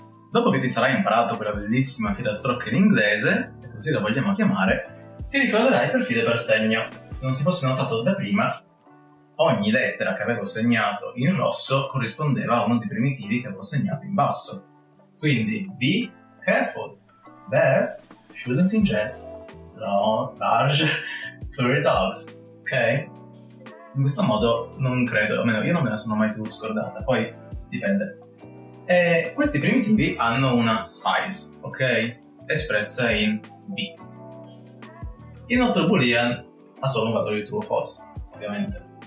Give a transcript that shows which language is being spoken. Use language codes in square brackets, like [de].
[it] Dopo che ti sarai imparato quella bellissima filastrocca in inglese, se così la vogliamo chiamare, ti ricorderai per filo e per segno. Se non si fosse notato da prima, ogni lettera che avevo segnato in rosso corrispondeva a uno dei primitivi che avevo segnato in basso. Quindi, [en] be careful, bears shouldn't ingest large furry dogs, ok? [it] In questo modo non credo, almeno io non me la sono mai più scordata, poi dipende. E questi primitivi hanno una size, ok? Espressa in bits. Il nostro boolean ha solo un valore di true o false, ovviamente.